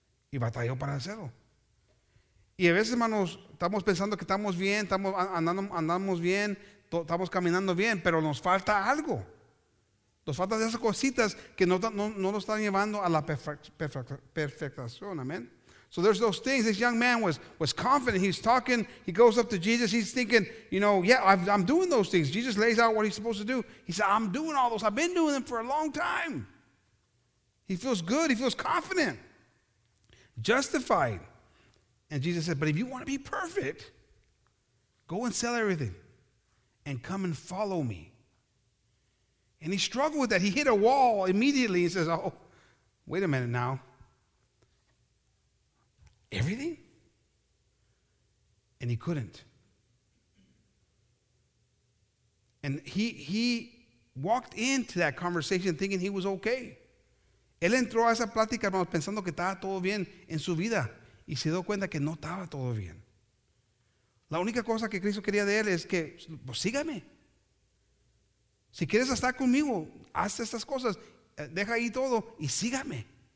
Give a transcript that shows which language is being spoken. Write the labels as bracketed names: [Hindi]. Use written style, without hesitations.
[Spanish] Y batalló para hacerlo. Y a veces, hermanos, estamos pensando que estamos bien, estamos andamos bien, estamos caminando bien, pero nos falta algo. Nos faltan esas cositas que no nos están llevando a la perfección. [English] Amen. So there's those things. This young man was confident. He's talking. He goes up to Jesus. He's thinking, you know, yeah, I'm doing those things. Jesus lays out what he's supposed to do. He said, I'm doing all those. I've been doing them for a long time. He feels good. He feels confident. Justified. And Jesus said, but if you want to be perfect, go and sell everything and come and follow me. And he struggled with that. He hit a wall immediately. He says, oh, wait a minute now. Everything? And he couldn't. And he walked into that conversation thinking he was okay. [Spanish] Él entró a esa plática, hermanos, pensando que estaba todo bien en su vida. Y se dio cuenta que no estaba todo bien. La única cosa que Cristo quería de él es que, pues, sígame. Si quieres estar conmigo, haz estas cosas, deja ahí todo y sígame.